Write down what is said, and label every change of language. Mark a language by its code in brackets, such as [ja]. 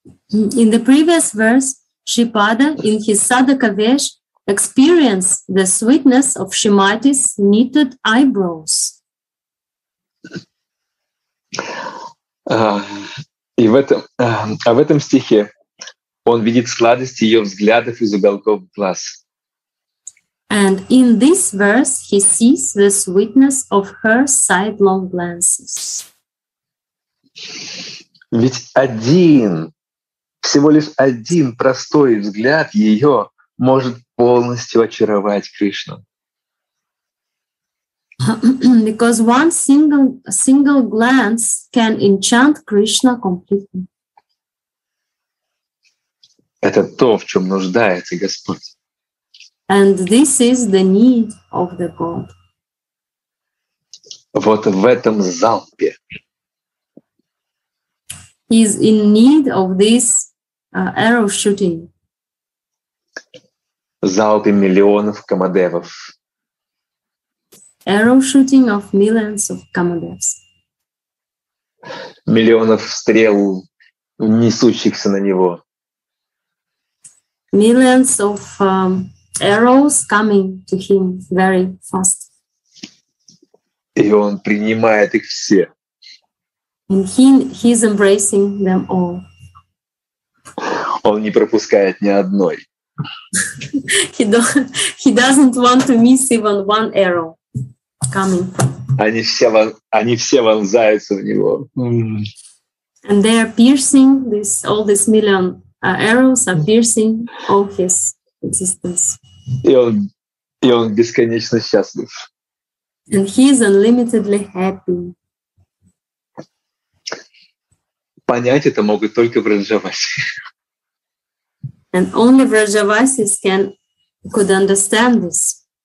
[en] In the previous verse, Шрипада in his Садхакавеш experienced the sweetness of Shrimati's knitted eyebrows. [ru] В этом стихе он видит сладость ее взглядов из уголков глаз. [en] And in this verse he sees the sweetness of her sidelong glances. [ru] Ведь один, всего лишь один простой взгляд ее может полностью очаровать Кришну. [en] Because one single glance can enchant Krishna completely. [ru] Это то, в чем нуждается Господь. [en] And this is the need of the God. [ru] Вот в этом залпе. [en] He is in need of this arrow shooting. [ru] залпе миллионов камадевов. [en] Arrow shooting of millions of камадевс. [ru] Миллионов стрел, несущихся на него. [en] Millions of arrows coming to him very fast. [ru] И он принимает их все. [en] And he's embracing them all. [ru] Он не пропускает ни одной. [en] He doesn't want to miss even one arrow coming. [ru] Они все вонзаются в него. [en] And they are piercing this, all these million arrows are piercing all his existence. [ru] И он бесконечно счастлив. [en] And he is unlimitedly happy. [ru] Понять это могут только вражавасы. [en] And only вражавасис could understand this.